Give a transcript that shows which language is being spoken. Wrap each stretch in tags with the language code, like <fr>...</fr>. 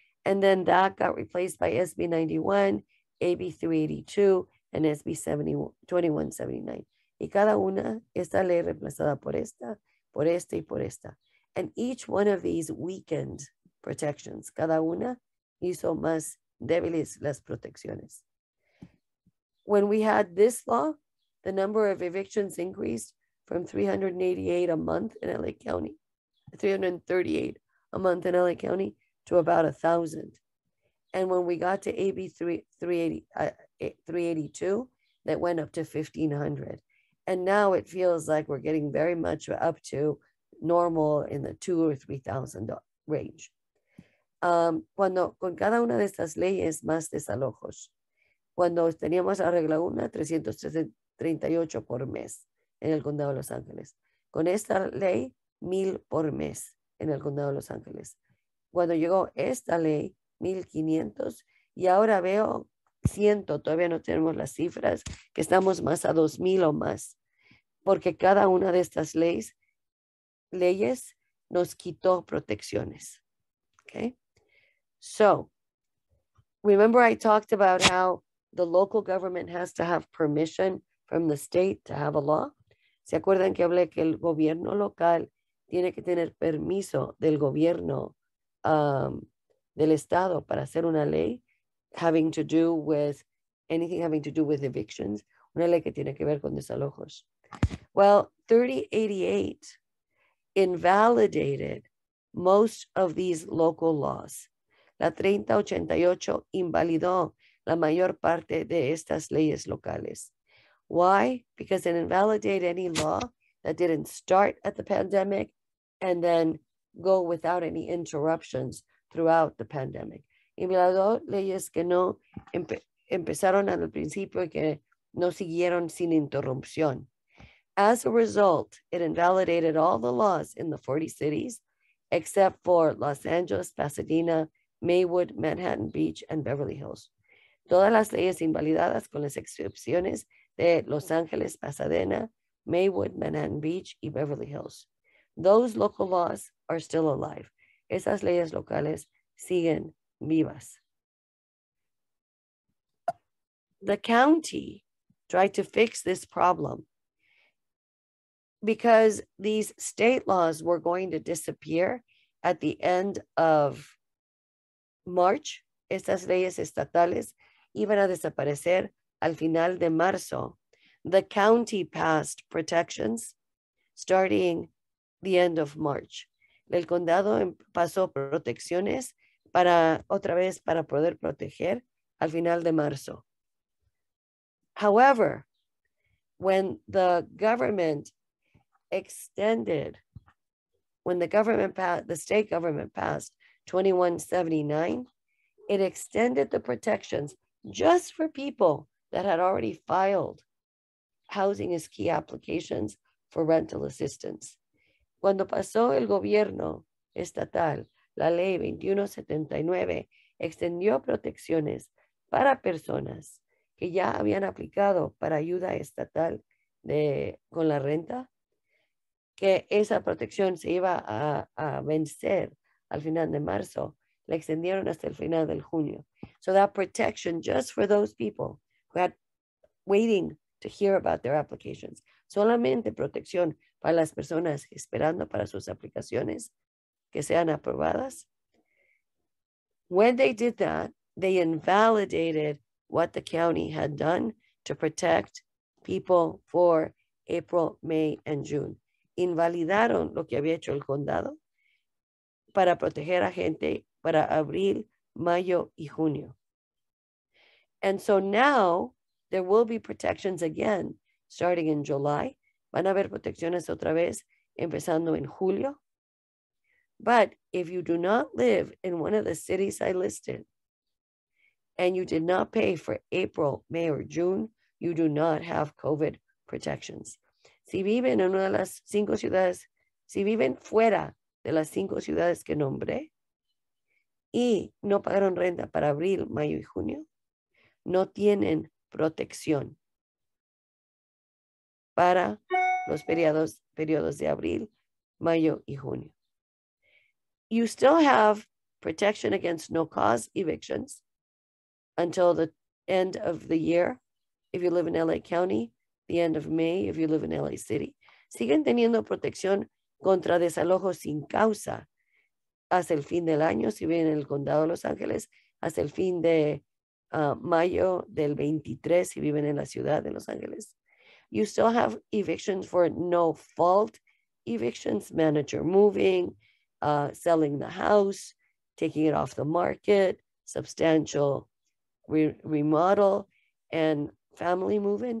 <en>And then that got replaced by SB 91, AB 382, and SB 2179.</en> <es>Y cada una, esta ley reemplazada por esta y por esta.</es> <en>And each one of these weakened protections.</en> <es>Cada una hizo más débiles las protecciones.</es> <en>when we had this law, the number of evictions increased from 388 a month in LA County, 338 a month in LA County, to about 1,000. And when we got to AB 382, that went up to 1,500. And now it feels like we're getting very much up to normal in the 2,000 or 3,000 range.</en> <es>Cuando con cada una de estas leyes más desalojos, cuando teníamos la regla 1, 338 por mes en el condado de Los Ángeles. Con esta ley, 1,000 por mes en el condado de Los Ángeles. Cuando llegó esta ley, 1,500, y ahora veo 100, todavía no tenemos las cifras, que estamos más a 2,000 o más, porque cada una de estas leyes nos quitó protecciones.</es> <en>Okay? So, remember I talked about how the local government has to have permission from the state to have a law?</en> <es>¿Se acuerdan que hablé que el gobierno local tiene que tener permiso del gobierno del estado para hacer una ley</es> <en>having to do with anything having to do with evictions?</en> <es>Una ley que tiene que ver con desalojos.</es> <en>Well, 3088 invalidated most of these local laws.</en> <es>La 3088 invalidó la mayor parte de estas leyes locales.</es> <en>Why? Because it invalidated any law that didn't start at the pandemic and then go without any interruptions throughout the pandemic.</en> <es>Invalidó leyes que no empezaron al principio y que no siguieron sin interrupción.</es> <en>As a result, it invalidated all the laws in the 40 cities, except for Los Angeles, Pasadena, Maywood, Manhattan Beach, and Beverly Hills.</en> <es>Todas las leyes invalidadas con las excepciones de Los Ángeles, Pasadena, Maywood, Manhattan Beach, y Beverly Hills.</es> <en>Those local laws are still alive.</en> <es>Esas leyes locales siguen vivas.</es> <en>The county tried to fix this problem because these state laws were going to disappear at the end of March.</en> <es>Estas leyes estatales iban a desaparecer al final de marzo.</es> <en>The county passed protections starting the end of March.</en> <es>El condado pasó protecciones para otra vez para poder proteger al final de marzo.</es> <en>However, when the government extended, when the government passed, the state government passed 2179, it extended the protections just for people that had already filed housing as key applications for rental assistance.</en> <es>Cuando pasó el gobierno estatal, la ley 2179 extendió protecciones para personas que ya habían aplicado para ayuda estatal con la renta, que esa protección se iba a vencer al final de marzo, la extendieron hasta el final del junio.</es> <en>So that protection just for those people who had waiting to hear about their applications.</en> <es>Solamente protección para las personas esperando para sus aplicaciones que sean aprobadas.</es> <en>When they did that, they invalidated what the county had done to protect people for April, May, and June.</en> <es>Invalidaron lo que había hecho el condado para proteger a gente para abril, mayo, y junio.</es> <en>And so now, there will be protections again, starting in July.</en> <es>Van a haber protecciones otra vez, empezando en julio.</es> <en>But if you do not live in one of the cities I listed, and you did not pay for April, May, or June, you do not have COVID protections.</en> <es>Si viven en una de las cinco ciudades, si viven fuera de las cinco ciudades que nombré, y no pagaron renta para abril, mayo y junio, no tienen protección para los periodos de abril, mayo y junio.</es> <en>You still have protection against no-cause evictions until the end of the year. If you live in LA County, the end of May, if you live in LA City.</en> <es>Siguen teniendo protección contra desalojos sin causa hasta el fin del año, si viven en el condado de Los Ángeles, hasta el fin de mayo del 23 si viven en la ciudad de Los Ángeles.</es> <en>You still have evictions for no fault evictions, manager moving, selling the house, taking it off the market, substantial remodel, and family moving.</en>